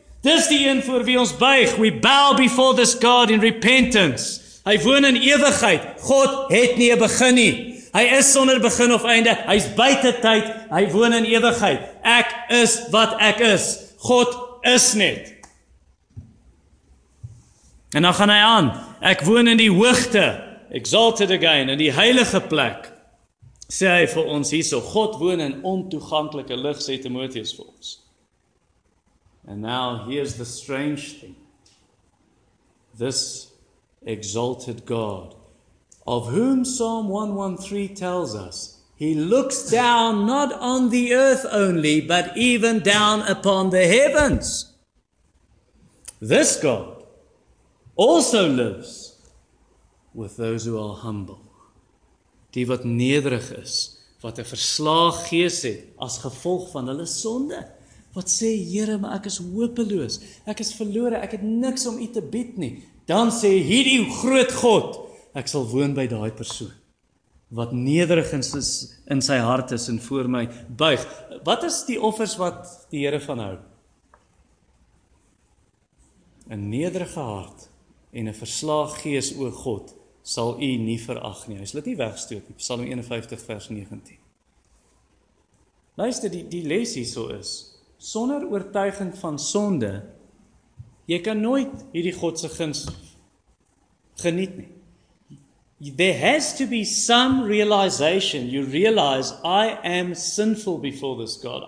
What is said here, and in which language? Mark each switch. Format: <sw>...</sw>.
<af>Dis die een voor wie ons buig,</af> <en>we bow before this God in repentance.</en> <af>Hy woon in ewigheid, God het nie 'n begin nie. Hy is sonder begin of einde, hy is buite tyd, hy woon in ewigheid. Ek is wat ek is, God is net. En dan gaan hy aan, ek woon in die hoogte,</af> <en>exalted again,</en> <af>in die heilige plek, sê hy vir ons hierso, God woon in ontoeganklike lig, sê Timoteus vir ons.</af> <en>And now here's the strange thing, this exalted God, of whom Psalm 113 tells us, He looks down not on the earth only, but even down upon the heavens. This God also lives with those who are humble.</en> <af>Die wat nederig is, wat 'n verslae gees het, as gevolg van hulle sonde. Wat sê, Here, maar ek is hopeloos, ek is verlore, ek het niks om u te bied nie. Dan sê, hierdie groot God, ek sal woon by daai persoon. Wat nederig in sy hart is en voor my buig. Wat is die offers wat die Here van hou? 'N nederige hart en 'n verslae gees oor God sal u nie verag nie. Hy sal dit nie wegstoot nie. Psalm 51 vers 19. Luister, die les hierso is, sonder oortuiging van sonde, jy kan nooit hierdie God se guns geniet nie.</af> <en>There has to be some realization. You realize, I am sinful before this God.</en>